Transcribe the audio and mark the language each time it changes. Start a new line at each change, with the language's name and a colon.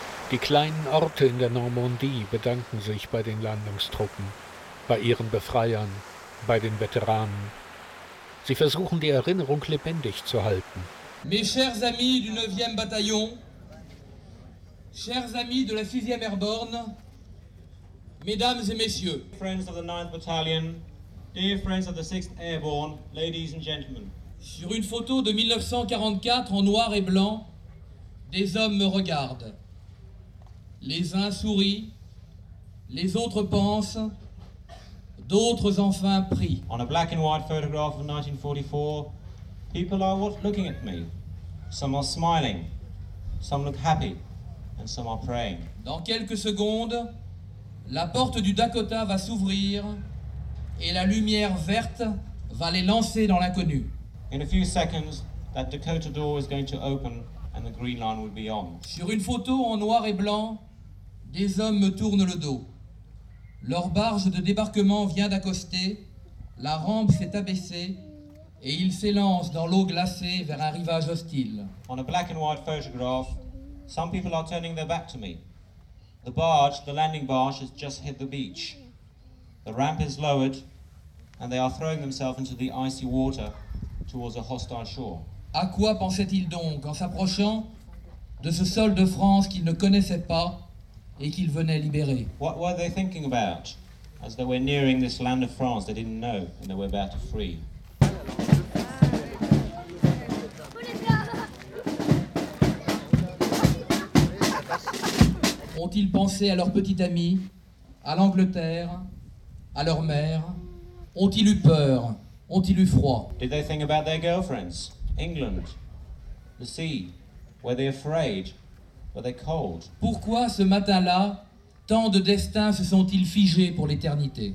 German: Die kleinen Orte in der Normandie bedanken sich bei den Landungstruppen, bei ihren Befreiern, bei den Veteranen. Sie versuchen, die Erinnerung lebendig zu halten.
French: Mes chers amis du 9e Bataillon, chers amis de la 6e Airborne, mesdames et messieurs,
English: friends of the 9th Battalion, dear friends of the 6th Airborne, ladies and gentlemen.
French: Sur une photo de 1944 en noir et blanc, des hommes me regardent. Les uns sourient, les autres pensent, d'autres enfin prient.
English: On a black and white photograph of 1944, people are looking at me. Some are smiling, some look happy, and some are praying.
French: Dans quelques secondes, la porte du Dakota va s'ouvrir et la lumière verte va les lancer dans l'inconnu.
English: In a few seconds, that Dakota door is going to open and the green line will be on.
French: Sur une photo en noir et blanc, des hommes me tournent le dos. Leur barge de débarquement vient d'accoster, la rampe s'est abaissée et ils s'élancent dans l'eau glacée vers un rivage hostile.
English: On a black and white photograph, some people are turning their back to me. The barge, the landing barge, has just hit the beach. The ramp is lowered, and they are throwing themselves into the icy water towards a hostile shore.
French: À quoi pensait-il donc en s'approchant de ce sol de France qu'il ne connaissait pas et qu'il venait libérer?
English: What were they thinking about as they were nearing this land of France they didn't know and they were about to free?
French: Ont-ils pensé à leur petit ami, à l'Angleterre, à leur mère? Ont-ils eu peur? Ont-ils eu froid?
English: Did they think about their girlfriends, England, the sea? Were they afraid? Were they cold?
French: Pourquoi ce matin-là, tant de destins se sont-ils figés pour l'éternité?